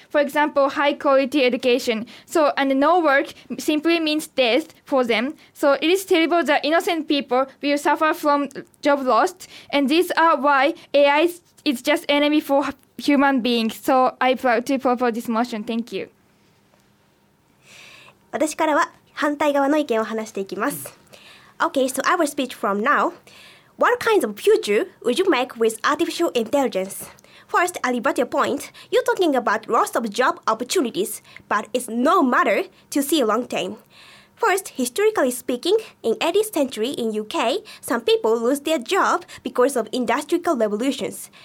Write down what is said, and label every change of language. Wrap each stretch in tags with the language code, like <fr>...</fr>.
<en>For example, high quality education. So, and no work simply means death for them. So it is terrible that innocent people will suffer from job loss. And these are why AI is just enemy for human beings. So I plan to propose this motion. Thank you.</en> <ja>私からは反対側の意見を話していきます。</ja> <en>Okay, so I will speak from now. What kinds of future would you make with artificial intelligence? First, I'll rebut your point. You're talking about loss of job opportunities, but it's no matter to see long term. First, historically speaking, in 18th century in UK, some people lose their job because of industrial revolutions.</en>